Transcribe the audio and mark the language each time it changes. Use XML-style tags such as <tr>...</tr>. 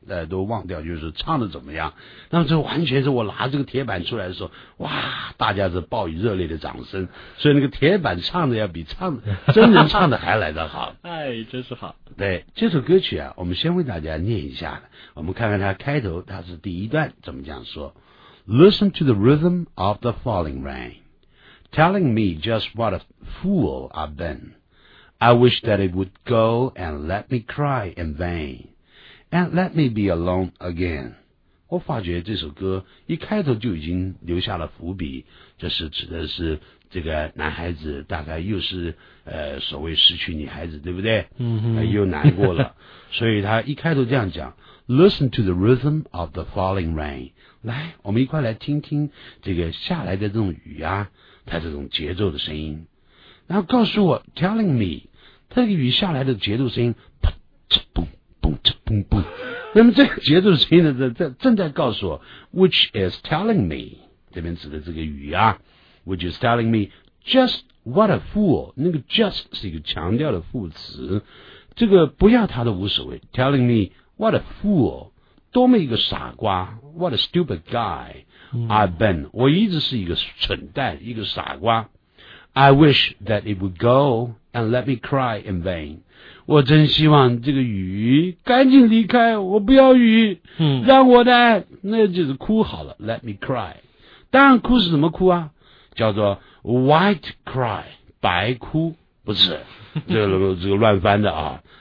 <zh>都忘掉，就是唱的怎么样。那么这完全是我拿这个铁板出来的时候，哇，大家是报以热烈的掌声。所以那个铁板唱的要比唱真人唱的还来得好。哎，真是好。对，这首歌曲啊，我们先为大家念一下，我们看看它开头，它是第一段怎么讲说。</zh> <en>Listen to the rhythm of the falling rain, telling me just what a fool I've been. I wish that it would go and let me cry in vain, and let me be alone again.</en> <zh>我发觉这首歌一开头就已经留下了伏笔，这是指的是这个男孩子大概又是所谓失去女孩子，对不对？又难过了，所以他一开头这样讲。</zh> <en>Listen to the rhythm of the falling rain.</en> <zh>来，我们一块来听听这个下来的这种雨啊，它这种节奏的声音。然后告诉我 ，</zh> <en>telling me，</en> <zh>它这个雨下来的节奏声音，啪嚓嘣嘣嚓嘣嘣。那么这个节奏声音呢，正在告诉我 ，</zh> <en>which is telling me，</en> <zh>这边指的这个雨啊 ，</zh> <en>which is telling me just what a fool。</en> <zh>那个 just 是一个强调的副词，这个不要它都无所谓。</zh> <en>telling me。 What a fool,</en> <zh>多么一个傻瓜 ,</zh> <en>What a stupid guy,、 I've been,</en> <zh>我一直是一个蠢蛋一个傻瓜。</zh> <en>I wish that it would go and let me cry in vain.</en> <zh>我真希望这个雨赶紧离开，我不要雨、让我的那就是哭好了 ,</zh> <en>let me cry.</en> <zh>当然哭是什么哭啊，叫做 white cry, 白哭，不是这个乱翻的啊。</zh>